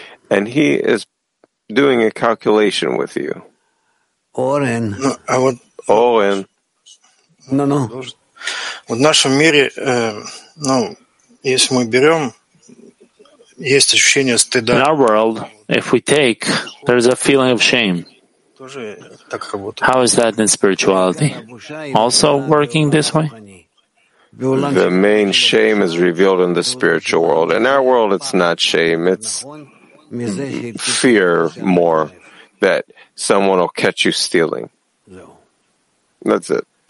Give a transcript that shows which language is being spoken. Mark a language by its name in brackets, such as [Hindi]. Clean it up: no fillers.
[English] And he is doing a calculation with you. Oren. Oren. No. [Russian] Вот в нашем мире, ну, если мы берем, есть ощущение стыда. [English] In our world, if we take, there is a feeling of shame. How is that in spirituality? Also working this way? The main shame is revealed in the spiritual world. In our world, it's not shame. It's fear more that someone will catch you stealing. That's it.